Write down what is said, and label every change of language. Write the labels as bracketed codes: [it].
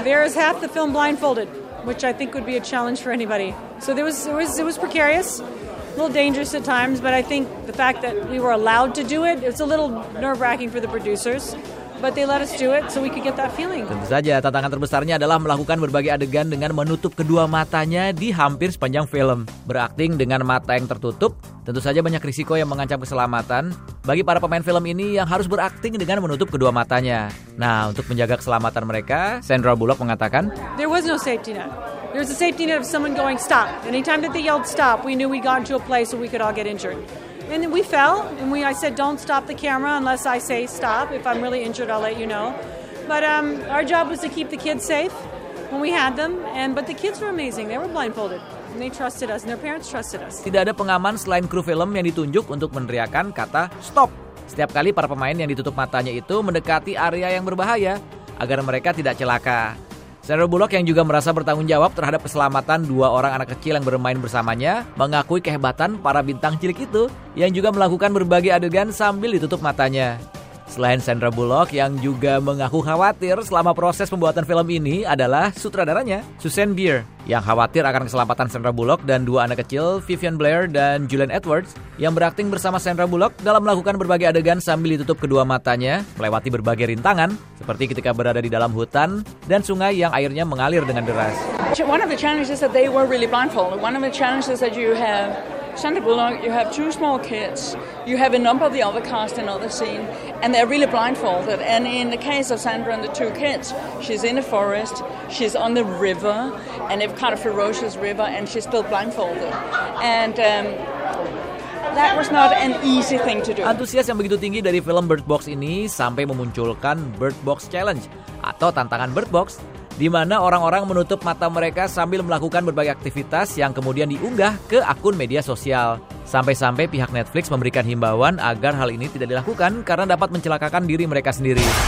[en] there is half the film blindfolded, which I think would be a challenge for anybody. So it was precarious, a little dangerous at times, but I think the fact that we were allowed to do it, it's a little nerve-wracking for the producers. But they let us do it so we could get that feeling. [id] Tentu saja tantangan terbesarnya adalah melakukan berbagai adegan dengan menutup kedua matanya di hampir sepanjang film. Berakting dengan mata yang tertutup, tentu saja banyak risiko yang mengancam keselamatan bagi para pemain film ini yang harus berakting dengan menutup kedua matanya. Nah, untuk menjaga keselamatan mereka, Sandra Bullock mengatakan, [en] there was no safety net. There was a safety net of someone going stop. Anytime that they yelled stop, we knew we got into a place so we could all get injured. And then we fell, and I said, don't stop the camera unless I say stop. If I'm really injured, I'll let you know. But our job was to keep the kids safe when we had them. But the kids were amazing. They were blindfolded. And they trusted us, and their parents trusted us. [id] Tidak ada pengaman selain kru film yang ditunjuk untuk meneriakan kata stop. Setiap kali para pemain yang ditutup matanya itu mendekati area yang berbahaya agar mereka tidak celaka. Sandra Bullock yang juga merasa bertanggung jawab terhadap keselamatan dua orang anak kecil yang bermain bersamanya mengakui kehebatan para bintang cilik itu yang juga melakukan berbagai adegan sambil ditutup matanya. Selain Sandra Bullock yang juga mengaku khawatir selama proses pembuatan film ini adalah sutradaranya, Susanne Bier, yang khawatir akan keselamatan Sandra Bullock dan dua anak kecil, Vivian Blair dan Julian Edwards, yang berakting bersama Sandra Bullock dalam melakukan berbagai adegan sambil ditutup kedua matanya, melewati berbagai rintangan, seperti ketika berada di dalam hutan dan sungai yang airnya mengalir dengan deras. [en] One of the challenges that they were really blindfolded, one of the challenges that you have Sandra Bullock, you have two small kids, you have a number of the other cast in other scene, and they're really blindfolded. And in the case of Sandra and the two kids, she's in a forest, she's on the river, and it's kind of ferocious river, and she's still blindfolded. And that was not an easy thing to do. [id] Antusias yang begitu tinggi dari film Bird Box ini sampai memunculkan Bird Box Challenge atau tantangan Bird Box, di mana orang-orang menutup mata mereka sambil melakukan berbagai aktivitas yang kemudian diunggah ke akun media sosial. Sampai-sampai pihak Netflix memberikan himbauan agar hal ini tidak dilakukan karena dapat mencelakakan diri mereka sendiri.